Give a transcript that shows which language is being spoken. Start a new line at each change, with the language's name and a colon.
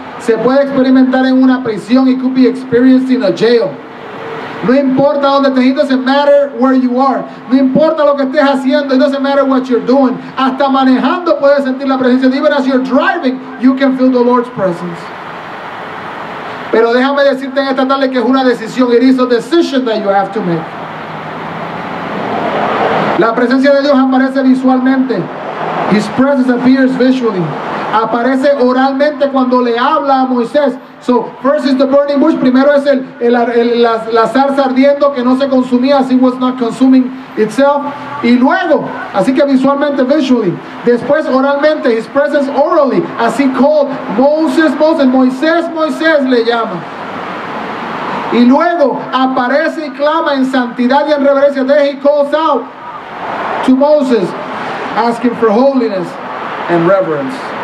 Spanish: Se puede experimentar en una prisión,
English: it could be experienced in a jail.
Spanish: No importa donde estés,
English: it doesn't matter where you are.
Spanish: No importa lo que estés haciendo,
English: it doesn't matter what you're doing.
Spanish: Hasta manejando puedes sentir la presencia.
English: Even as you're driving, you can feel the Lord's presence.
Spanish: Pero déjame decirte en esta tarde que es una decisión.
English: It is a decision that you have to make.
Spanish: La presencia de Dios aparece visualmente.
English: His presence appears visually.
Spanish: Aparece oralmente cuando le habla a Moisés.
English: So, first is the burning bush.
Spanish: Primero es la zarza ardiendo que no se consumía.
English: It was not consuming itself.
Spanish: Y luego, así que visualmente,
English: visually.
Spanish: Después, oralmente,
English: his presence orally. As he called Moses, Moses,
Spanish: Moisés, Moisés le llama. Y luego, aparece y clama en santidad y en reverencia.
English: Then he calls out to Moses, asking for holiness and reverence.